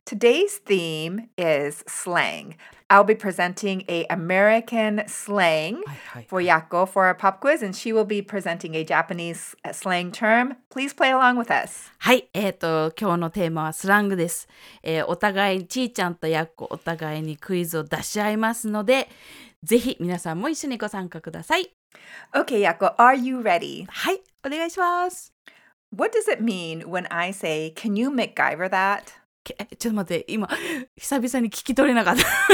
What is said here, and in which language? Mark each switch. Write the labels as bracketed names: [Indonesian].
[English] Today's theme is slang. I'll be presenting a American slang for Yako for our pop quiz, and she will be presenting a Japanese slang term. Please play along with us. [Japanese] はい、今日のテーマはスラングです。お互い、ちーちゃんとやっこ、お互いにクイズを出し合いますので、ぜひ皆さんも一緒にご参加ください。 [English] Okay, Yako, are you ready? [Japanese] はい、お願いします。 [English] What does it mean when I say, can you MacGyver that? [Japanese] ちょっと待って、今、久々に聞き取れなかった。